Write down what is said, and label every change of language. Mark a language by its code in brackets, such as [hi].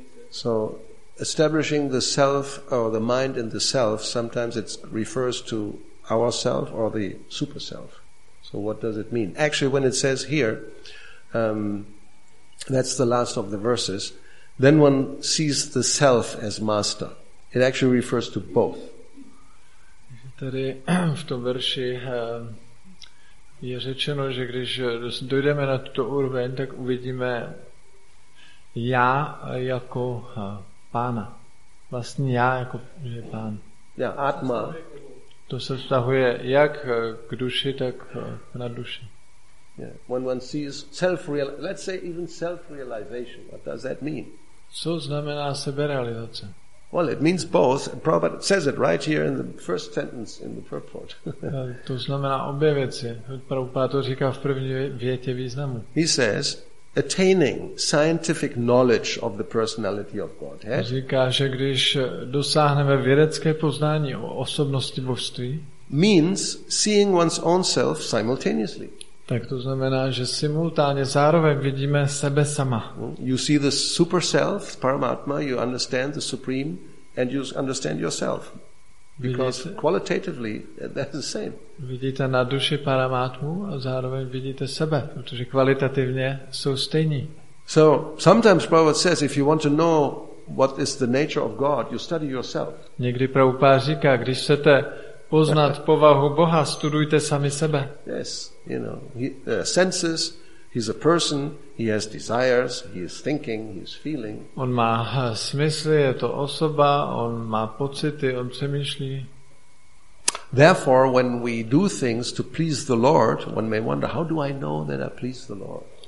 [en] So establishing the self or the mind in the self, sometimes it refers to ourself or the super self. So what does it mean? Actually, when it says here, that's the last of the verses, then one sees the self as master. It actually refers to both. [cs] Tady v tom verši je řečeno, že když dojdeme na tuto úroveň, tak uvidíme já jako pána. Vlastně já jako že pán. Já, atma. To se vztahuje jak k duši, tak na duši. [en] Yeah. When one sees let's say even self-realization, what does that mean? [cs] Co znamená seberealizace? [en] Well, it means both. Prabhupada says it right here in the first sentence in the purport. [cs] To znamená obě věci. Prabhupada to říká v první větě významu. [en] He says, attaining scientific knowledge of the personality of Godhead. [cs] Říká, že když dosáhneme vědecké poznání o osobnosti božství, [en] means seeing one's own self simultaneously. [cs] Tak to znamená, že simultánně zároveň vidíme sebe sama. [en] You see the super self, Paramatma, you understand the supreme, and you understand yourself. Because qualitatively, that's the same. [cs] Vidíte na duši Paramatmu a zároveň vidíte sebe, protože kvalitativně jsou stejní. [en] So, sometimes Prabhupada says, if you want to know what is the nature of God, you study yourself. [cs] Někdy Prabhupada říká, když chcete poznat povahu Boha, studujte sami sebe. [en] Yes, you know, he senses, he's a person, he has desires, he is thinking, he is feeling. [cs] On má smysly, je to osoba, on má pocity, on přemýšlí. [en] Therefore, when we do things to please the Lord, one may wonder, how do I know that I please the Lord?